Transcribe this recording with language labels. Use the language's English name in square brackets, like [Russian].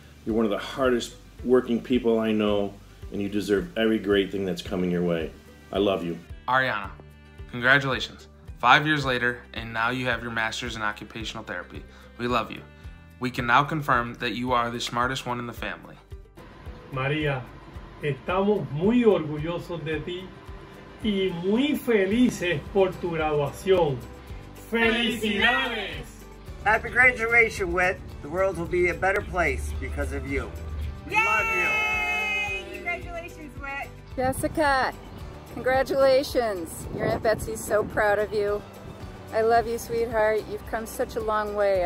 [English] You're one of the hardest working people I know, and you deserve every great thing that's coming your way. I love you. Ariana, congratulations. 5 years later, and now you have your master's in occupational therapy. We love you. We can now confirm that you are the smartest one in the family. [Spanish] Maria, estamos muy orgullosos de ti y muy felices por tu graduación. ¡Felicidades! [English] Happy graduation, Whit. The world will be a better place because of you. We Yay! Love you. Jessica, congratulations. Your Aunt Betsy's so proud of you. I love you, sweetheart. You've come such a long way.